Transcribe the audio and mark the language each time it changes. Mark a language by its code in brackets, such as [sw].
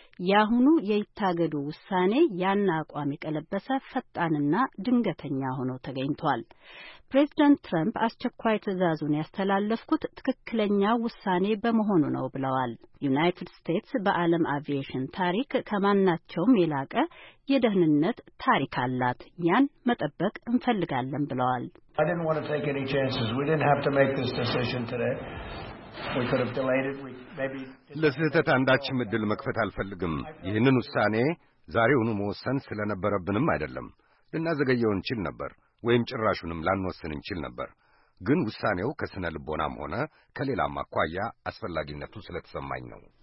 [am] ያሁኑ የይታገዱ ውሳኔ ያን አቋም የቀለበሰ ፈጣንና ድንገተኛ ሆኖ ተገኝቷል። ፕሬዝደንት ትራምፕ አስቸኳይ ትዕዛዙን ያስተላለፉት ትክክለኛ ውሳኔ በመሆኑ ነው ብለዋል። ዩናይትድ ስቴትስ በዓለም አቪዬሽን ታሪክ ከማናቸውም የላቀ የደህንነት ታሪክ አላት፣ ያን መጠበቅ እንፈልጋለን ብለዋል። [en] I didn't want to take any chances. We didn't have to make this decision today. We could have delayed it. [am] ለስህተት አንዳች ምድል መክፈት አልፈልግም። ይህንን ውሳኔ ዛሬውኑ መወሰን ስለነበረብንም አይደለም። ልናዘገየው እንችል ነበር፣ ወይም ጭራሹንም ላንወስን እንችል ነበር። ግን ውሳኔው ከስነ ልቦናም ሆነ ከሌላም አኳያ አስፈላጊነቱ ስለተሰማኝ ነው።